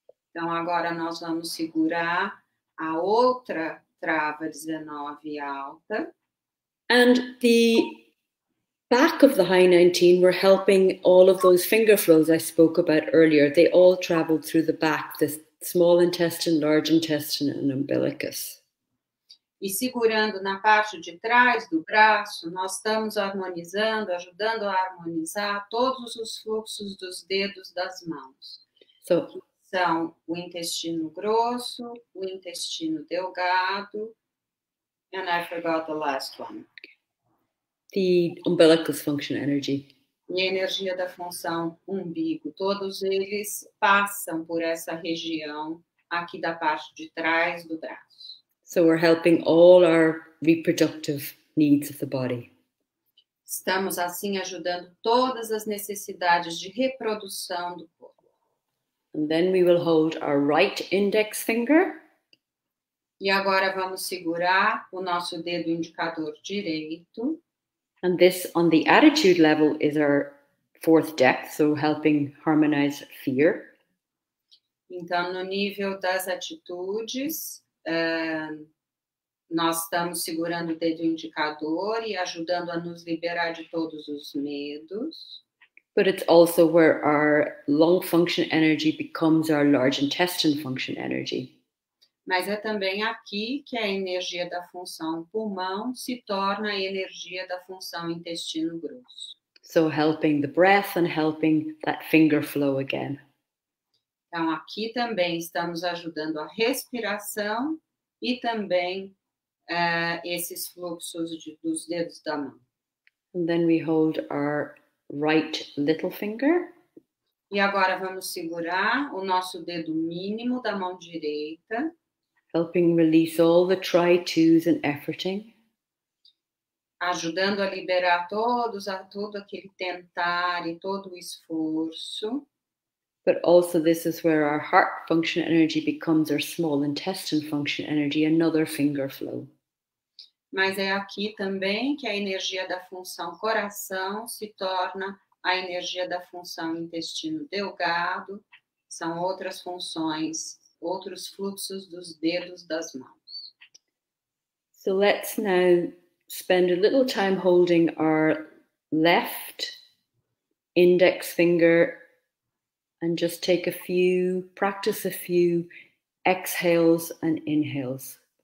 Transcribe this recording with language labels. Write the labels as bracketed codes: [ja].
[pt] Então, agora nós vamos segurar a outra trava 19 alta. [en] And the back of the high 19, we're helping all of those finger flows I spoke about earlier. They all travel through the back, the small intestine, large intestine, and umbilicus. [pt] E segurando na parte de trás do braço, nós estamos harmonizando, ajudando a harmonizar todos os fluxos dos dedos das mãos. [en] So, [pt] são o intestino grosso, o intestino delgado, [en] and I forgot the last one. The umbilicus function energy. [pt] E a energia da função umbigo. Todos eles passam por essa região aqui da parte de trás do braço. [en] So we're helping all our reproductive needs of the body. [pt] Estamos assim ajudando todas as necessidades de reprodução do corpo. [en] And then we will hold our right index finger. [pt] E agora vamos segurar o nosso dedo indicador direito. [en] And this, on the attitude level, is our fourth depth, so helping harmonize fear. [pt] Então, no nível das atitudes, nós estamos segurando o dedo indicador e ajudando a nos liberar de todos os medos. [en] But it's also where our lung function energy becomes our large intestine function energy. [pt] Mas é também aqui que a energia da função pulmão se torna a energia da função intestino grosso. [en] So helping the breath and helping that finger flow again. [pt] Então aqui também estamos ajudando a respiração e também esses fluxos dos dedos da mão. [en] And then we hold our right little finger. [pt] E agora vamos segurar o nosso dedo mínimo da mão direita. [en] Helping release all the try-tos and efforting. [pt] Ajudando a liberar todo aquele tentar e todo o esforço. [en] But also this is where our heart function energy becomes our small intestine function energy, another finger flow. [pt] Mas é aqui também que a energia da função coração se torna a energia da função intestino delgado. São outras funções, outros fluxos dos dedos das mãos. [en] So let's now spend a little time holding our left index finger and just take a few, practice a few exhales and inhales.